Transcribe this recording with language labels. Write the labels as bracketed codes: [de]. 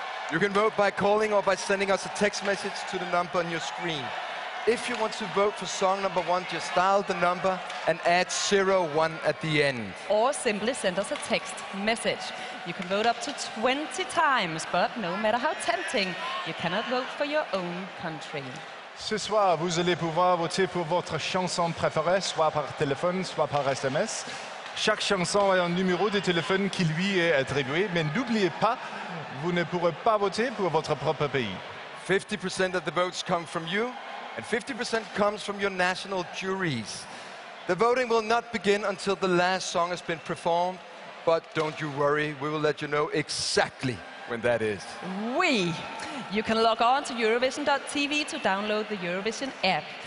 [en] You can vote by calling or by sending us a text message to the number on your screen. If you want to vote for song number one, just dial the number and add 01 at the end. Or simply send us a text message. You can vote up to 20 times, but no matter how tempting, you cannot vote for your own country. [fr] Ce soir, vous allez pouvoir voter pour votre chanson préférée, soit par téléphone, soit par SMS. Chaque chanson a un numéro de téléphone qui lui est attribué, mais n'oubliez pas, vous ne pourrez pas voter pour votre propre pays. [en] 50% of the votes come from you, and 50% comes from your national juries. The voting will not begin until the last song has been performed, but don't you worry, we will let you know exactly when that is. [fr] Oui. [en] You can log on to Eurovision.tv to download the Eurovision app.